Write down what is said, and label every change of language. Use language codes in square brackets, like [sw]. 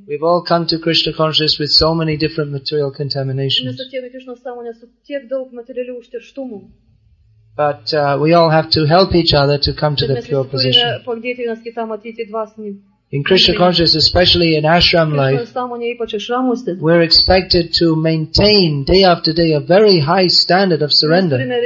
[en] We've all come to Krishna consciousness with so many different material contaminations. [lt] Mes atėjome į Krishna sąmonę su tiek daug materialių užterštumų. [en] But we all have to help each other to come to the pure position. [lt] Mes turime padėti vienas kitam atėti dvasinį. [en] In Krishna consciousness, especially in ashram life, we're expected to maintain day after day a very high standard of surrender.